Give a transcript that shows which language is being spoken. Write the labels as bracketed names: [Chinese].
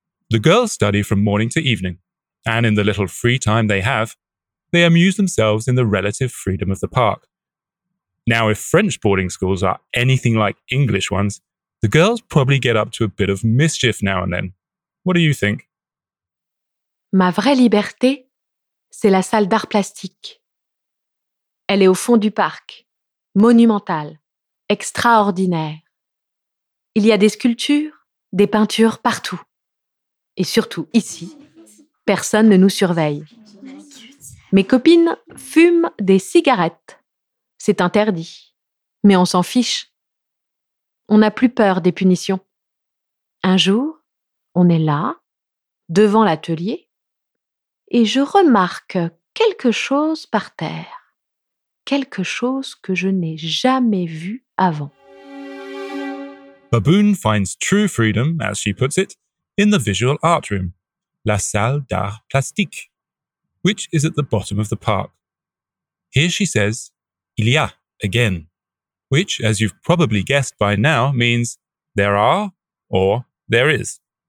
[English] The girls study from morning to evening, and in the little free time they have, they amuse themselves in the relative freedom of the park. Now, if French boarding schools are anything like English ones, the girls probably get up to a bit of mischief now and then. What do you think? [French] Ma vraie liberté, c'est la salle d'art plastique. Elle est au fond du parc, monumentale, extraordinaire. Il y a des sculptures, des peintures partout. Et surtout, ici, personne ne nous surveille. Mes copines fument des cigarettes. C'est interdit. Mais on s'en fiche. On n'a plus peur des punitions. Un jour, on est là, devant l'atelier, et je remarque quelque chose par terre, quelque chose que je n'ai jamais vu avant. [English] Baboon finds true freedom, as she puts it, in the visual art room, [French] la salle d'art plastique, [English] which is at the bottom of the park. Here she says, [French] il y a, [English] again, which, as you've probably guessed by now, means there are or there is.